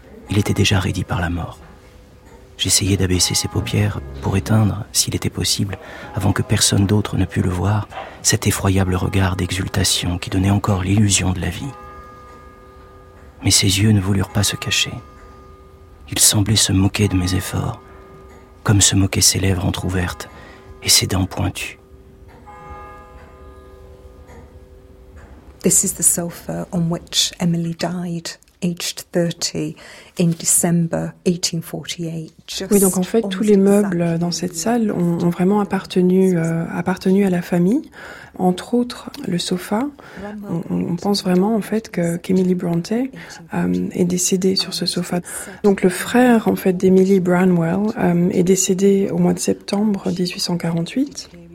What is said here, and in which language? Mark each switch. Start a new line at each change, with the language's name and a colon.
French: Il était déjà raidi par la mort. J'essayais d'abaisser ses paupières pour éteindre, s'il était possible, avant que personne d'autre ne pût le voir, cet effroyable regard d'exultation qui donnait encore l'illusion de la vie. Mais ses yeux ne voulurent pas se cacher. Il semblait se moquer de mes efforts, comme se moquaient ses lèvres entrouvertes et ses dents pointues.
English: This is the sofa on which Emily died, aged 30, in December 1848.
French: Oui, donc en fait, tous les meubles dans cette salle ont vraiment appartenu à la famille. Entre autres, le sofa. On pense vraiment en fait qu'Emily Brontë est décédée sur ce sofa. Donc le frère en fait d'Emily Branwell est décédé au mois de septembre 1848.